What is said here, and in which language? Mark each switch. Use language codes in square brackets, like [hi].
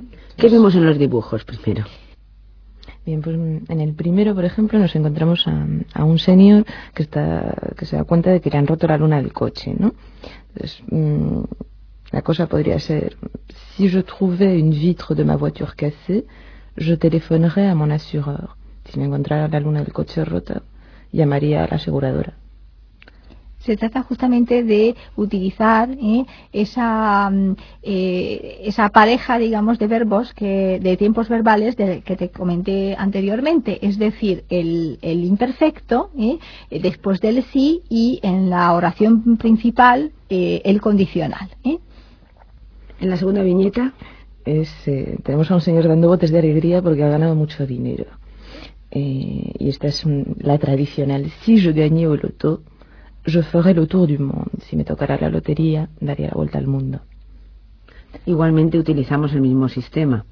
[es] Entonces, ¿qué vemos en los dibujos primero? Bien, pues en el primero, por ejemplo, nos encontramos a un señor que se da cuenta de que le han roto la luna del coche, ¿no? Entonces, la cosa podría ser: [fr] si je trouvais une vitre de ma voiture cassée, je téléphonerai a mon assureur. [es] Si me encontrara la luna del coche rota, llamaría a la aseguradora. se trata justamente de utilizar esa pareja, digamos, de verbos, que de tiempos verbales que te comenté anteriormente, es decir, el imperfecto después del sí y en la oración principal el condicional. En la segunda viñeta tenemos a un señor dando botes de alegría porque ha ganado mucho dinero. Y esta es la tradicional. [fr] Si je gagne au loto, je ferai le tour du monde. [es] Si me tocara la lotería, daría la vuelta al mundo. Igualmente utilizamos el mismo sistema.